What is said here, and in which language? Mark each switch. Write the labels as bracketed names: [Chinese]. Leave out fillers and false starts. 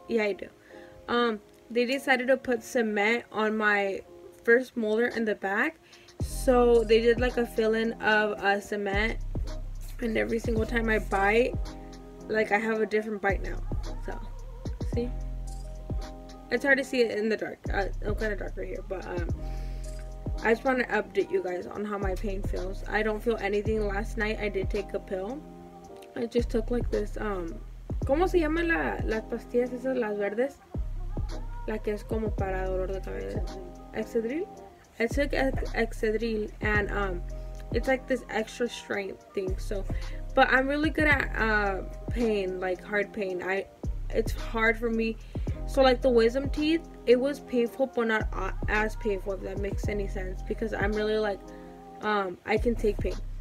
[English] Yeah, I do. They decided to put cement on my first molar in the back, so they did like a fill-in of cement, and every single time I bite, like I have a different bite now. So see, it's hard to see it in the dark. I'm kind of dark right here, but I just want to update you guys on how my pain feels. I don't feel anything. Last night I did take a pill. I just took like this [Spanish] ¿cómo se llaman las pastillas esas, las verdes, la que es como para dolor de cabeza? [English] Excedrin. I took Excedrin, and it's like this extra strength thing. So, but I'm really good at pain, like hard pain. It's hard for me. So like the wisdom teeth, it was painful, but not as painful, if that makes any sense, because I'm really like I can take pain.